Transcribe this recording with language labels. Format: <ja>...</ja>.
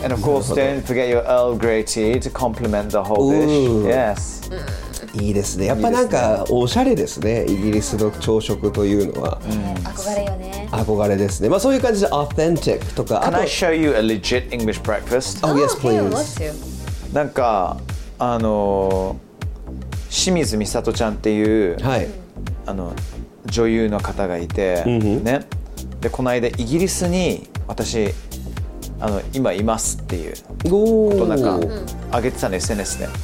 <en>And of course, don't forget your Earl Grey tea to complement the whole dish. Yes.</en> <ja>いいですね。やっぱなんかおしゃれですね。イギリスの朝食というのは、うん、憧れよね。憧れですね。まあそういう感じで authentic とか。</ja> <en>Can I show you a legit English breakfast? Oh yes, please.</en> <ja>なんかあの清水美里ちゃんっていう、はい、あの女優の方がいて、うん、ね。でこの間イギリスに私あの今いますっていうことなんか上げてたの SNS で。</ja>